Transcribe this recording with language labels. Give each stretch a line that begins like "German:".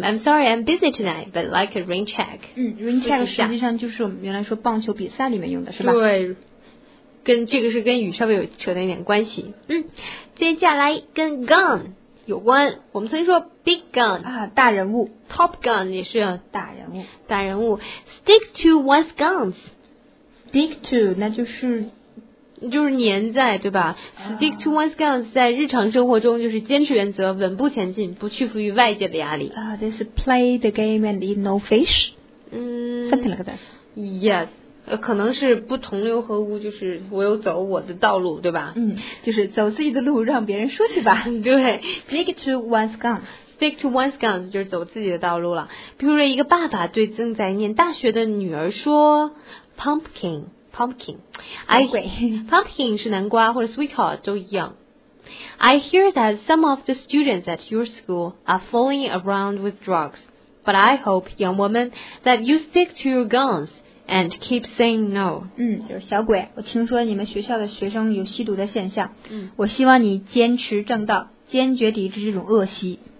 English: I'm sorry, I'm busy tonight, but like a rain check.
Chinese: Rain check 实际上就是我们原来说棒球比赛里面用的是吧？对，跟这个是跟雨稍微有扯淡一点关系。接下来跟 gun 有关，我们曾经说Big gun 啊，大人物，Top gun 也是大人物，大人物
English: ，Stick to one's guns， stick to
Chinese: 那就是粘在对吧、？
English: Stick to one's guns
Chinese: 在日常生活中就是坚持原则，稳步前进，不屈服于外界的压力。
English: This is play the game and eat no fish， something like that。 Yes。
Chinese: 可能是不同流合污，就是我有走我的道路，对吧？嗯，就是走自己的路，让别人说去吧。对
English: ，stick to one's guns. Stick to one's guns
Chinese: 就是走自己的道路了。比如说，一个爸爸对正在念大学的女儿说 ，pumpkin，小鬼，pumpkin 是南瓜或者 sweetheart 都一样。
English: I hear that some of the students at your school are fooling around with drugs. But I hope, young woman, that you stick to your guns. And keep saying no.
Chinese: 就是小鬼，我听说你们学校的学生有吸毒的现象。我希望你坚持正道，坚决抵制这种恶习。